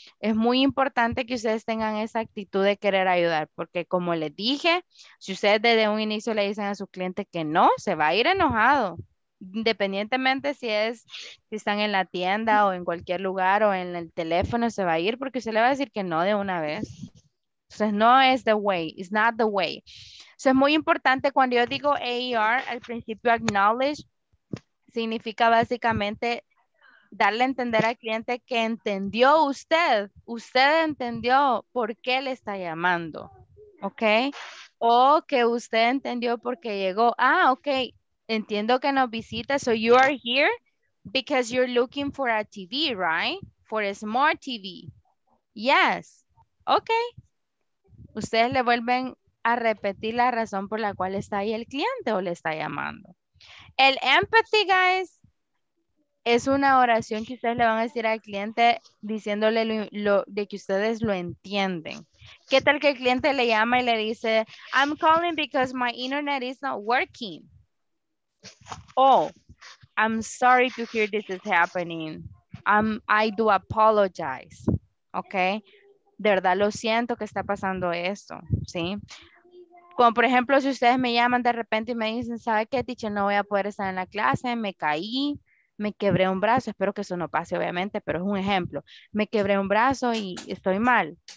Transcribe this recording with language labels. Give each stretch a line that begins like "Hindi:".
Spanish: Es muy importante que ustedes tengan esa actitud de querer ayudar, porque como les dije, si ustedes desde un inicio le dicen a su cliente que no, se va a ir enojado, independientemente si están en la tienda o en cualquier lugar o en el teléfono, se va a ir porque usted le va a decir que no de una vez. Entonces, no es
English: the way, it's not the way.
Spanish: Eso es muy importante. Cuando yo digo AER, al principio acknowledge, significa básicamente darle a entender al cliente que entendió usted, usted entendió por qué le está llamando, ¿ok? O que usted entendió por qué llegó, ah, ok, entiendo que nos visita,
English: so you are here because you're looking for a TV, right? For a smart TV. Yes, ok.
Spanish: Ustedes le vuelven a repetir la razón por la cual está ahí el cliente o le está llamando. El empathy, guys, es una oración que ustedes le van a decir al cliente diciéndole de que ustedes lo entienden. ¿Qué tal que el cliente le llama y le dice,
English: I'm calling because my internet is not working? Oh, I'm sorry to hear this is happening. I do apologize. Okay.
Spanish: De verdad lo siento que está pasando esto, ¿sí? Como por ejemplo, si ustedes me llaman de repente y me dicen, ¿sabe qué, teacher? No voy a poder estar en la clase, me caí, me quebré un brazo. Espero que eso no pase, obviamente, pero es un ejemplo. Me quebré un brazo y estoy mal.